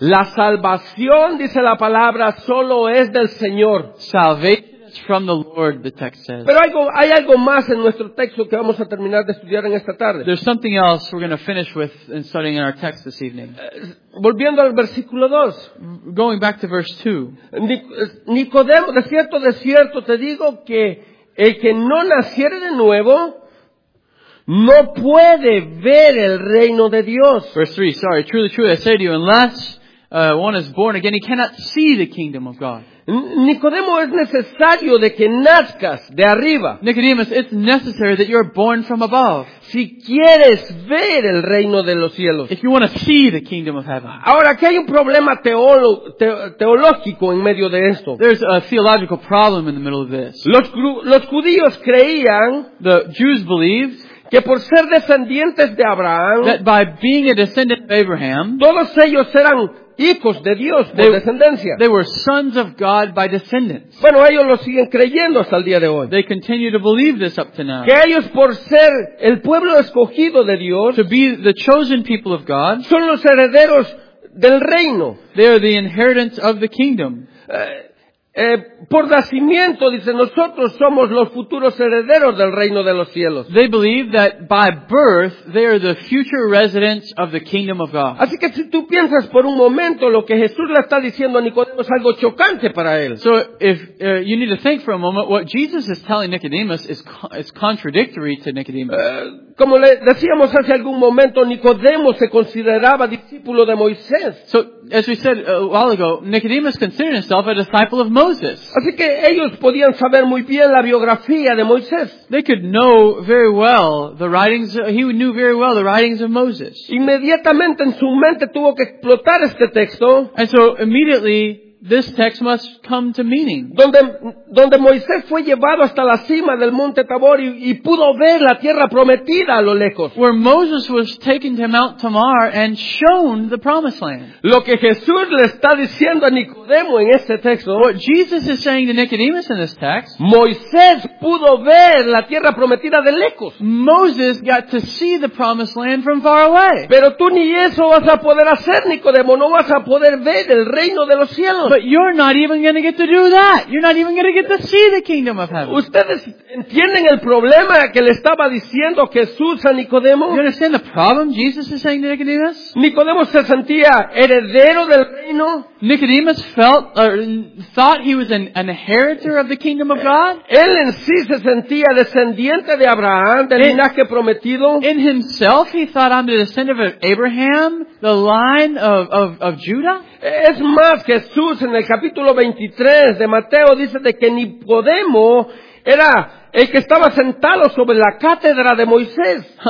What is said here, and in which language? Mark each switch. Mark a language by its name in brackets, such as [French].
[Spanish] La salvación, dice la palabra, solo es del Señor. [English] Salvation. From the Lord, the text says. [Spanish] Pero hay algo más en nuestro texto que vamos a terminar de estudiar en esta tarde. [English] There's something else we're going to finish with in studying in our text this evening. [Spanish] Volviendo al versículo 2. [English] Going back to verse 2. [Spanish] Nicodemo, de cierto te digo que el que no naciere de nuevo no puede ver el reino de Dios. [English] Verse 3, sorry. Truly, truly, I say to you, unless one is born again, he cannot see the kingdom of God. [Spanish] Nicodemo, es necesario de que nazcas de arriba. [English] Nicodemus, it's necessary that you're born from above. [Spanish] Si quieres ver el reino de los cielos. [English] If you want to see the kingdom of heaven. [Spanish] Ahora, aquí hay un problema teológico en medio de esto. [English] There's a theological problem in the middle of this. [Spanish] Los judíos creían. [English] The Jews believed. [Spanish] Que por ser descendientes de Abraham. [English] That by being a descendant of Abraham. [Spanish] Todos ellos eran hijos de Dios por descendencia. [English] They were sons of God by descendants. [Spanish] Bueno, ellos lo siguen creyendo hasta el día de hoy. [English] They continue to believe this up to now. [Spanish] Que ellos por ser el pueblo escogido de Dios, [English] to be the chosen people of God, [Spanish] son los herederos del reino. [English] They are the inheritance of the kingdom. [Spanish] Por nacimiento, dice, nosotros somos los futuros herederos del reino de los cielos. [English] They believe that by birth they are the future residents of the kingdom of God. [Spanish] Así que si tú piensas por un momento lo que Jesús le está diciendo a Nicodemo es algo chocante para él. [English] So if you need to think for a moment, what Jesus is telling Nicodemus is contradictory to Nicodemus. [Spanish] Como le decíamos hace algún momento, Nicodemo se consideraba discípulo de Moisés. [English] So as we said a while ago, Nicodemus considered himself a disciple of Moses. [Spanish] Así que ellos podían saber muy bien la biografía de Moisés. [English] They could know very well the writings. He knew very well the writings of Moses. [Spanish] Inmediatamente en su mente tuvo que explotar este texto. [English] And so immediately this text must come to meaning. [Spanish] Donde Moisés fue llevado hasta la cima del Monte Tabor y pudo ver la tierra prometida a lo lejos. [English] Where Moses was taken to Mount Tamar and shown the promised land. [Spanish] Lo que Jesús le está diciendo a Nicodemo en este texto. [English] What Jesus is saying to Nicodemus in this text. [Spanish] Moisés pudo ver la tierra prometida de lejos. [English] Moses got to see the promised land from far away. [Spanish] Pero tú ni eso vas a poder hacer, Nicodemo. No vas a poder ver el reino de los cielos. [English] But you're not even going to get to do that. You're not even going to get to see the kingdom of heaven. [Spanish] ¿Ustedes entienden el problema que le estaba diciendo Jesús a Nicodemo? [English] You understand the problem Jesus is saying to Nicodemus? [Spanish] Nicodemo se sentía heredero del reino. [English] Nicodemus felt or thought he was an inheritor of the kingdom of God. [Spanish] Él en sí se sentía descendiente de Abraham, del linaje prometido. [English] In himself, he thought I'm the descendant of Abraham, the line of Judah. [Spanish] Es más, Jesús en el capítulo 23 de Mateo dice de que Nicodemo era el que estaba sentado sobre la cátedra de Moisés.